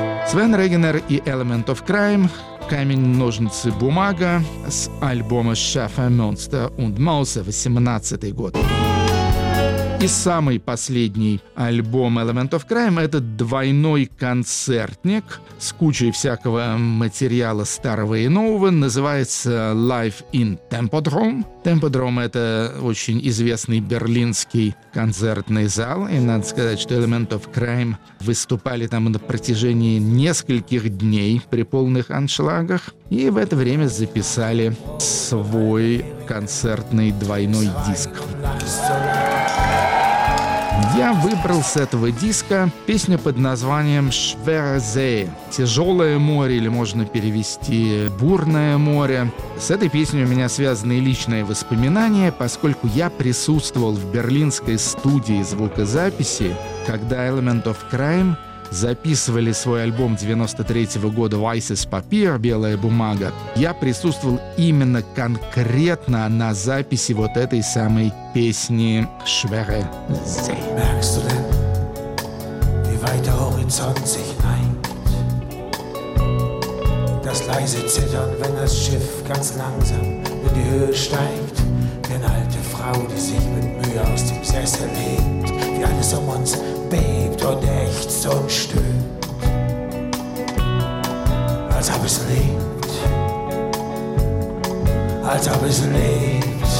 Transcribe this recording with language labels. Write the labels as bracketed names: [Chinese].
[Russian] Свен Регенер и Element of Crime, камень, ножницы, бумага с альбома Schaffer, Monster und Mauser, 18-й год. И самый последний альбом Element of Crime — это двойной концертник с кучей всякого материала старого и нового. Называется Live in Tempodrom. Tempodrom — это очень известный берлинский концертный зал. И надо сказать, что Element of Crime выступали там на протяжении нескольких дней при полных аншлагах. И в это время записали свой концертный двойной диск. Я выбрал с этого диска песню под названием «Schwere See» — «Тяжелое море», или можно перевести «Бурное море». С этой песней у меня связаны и личные воспоминания, поскольку я присутствовал в берлинской студии звукозаписи, когда Element of Crime записывали свой альбом 93-го года «Weißes Papier» — «Белая бумага». Я присутствовал именно конкретно на записи вот этой самой песни «Schwere See». [German] Merkst du denn, wie weit der Horizont sich neigt? Das leise Zittern, wenn das Schiff ganz langsam in die Höhe steigt. Denn alte Frau, die sich mit Mühe aus dem Sessel lehnt, wie alles um uns bebt und ächzt und stöhnt, als ob es lebt, als ob es lebt.